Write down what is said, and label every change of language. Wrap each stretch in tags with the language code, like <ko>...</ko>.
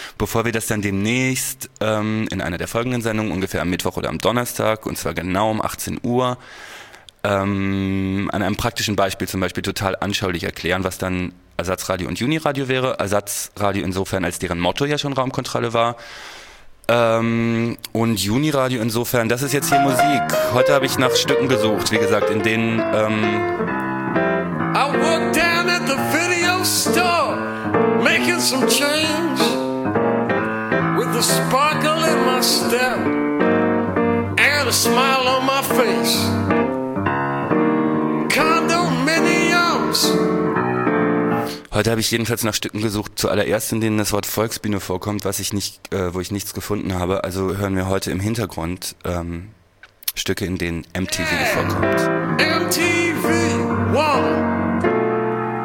<de>Bevor wir das dann demnächst in einer der folgenden Sendungen, ungefähr am Mittwoch oder am Donnerstag, und zwar genau um 18 Uhr, an einem praktischen Beispiel zum Beispiel total anschaulich erklären, was dann Ersatzradio und Juniradio wäre. Ersatzradio insofern, als deren Motto ja schon Raumkontrolle war. Und Juniradio insofern, das ist jetzt hier Musik. Heute habe ich nach Stücken gesucht, wie gesagt, in denen,</de> <en>I worked down at the video store, making some change, with a sparkle in my step, and a smile on my face. Condominiums.</en> <de>Heute habe ich jedenfalls nach Stücken gesucht, zuallererst in denen das Wort Volksbühne vorkommt, was ich nicht, wo ich nichts gefunden habe. Also hören wir heute im Hintergrund Stücke, in denen MTV vorkommt. MTV, wow.</de>